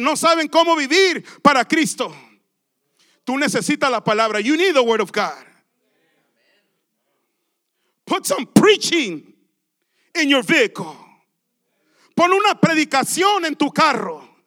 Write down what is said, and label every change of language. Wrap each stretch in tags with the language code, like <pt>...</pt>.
<es>No saben cómo vivir para Cristo. Tú necesitas la palabra.</es> <en>You need the word of God. Put some preaching in your vehicle.</en> <es>Pon una predicación en tu carro.</es>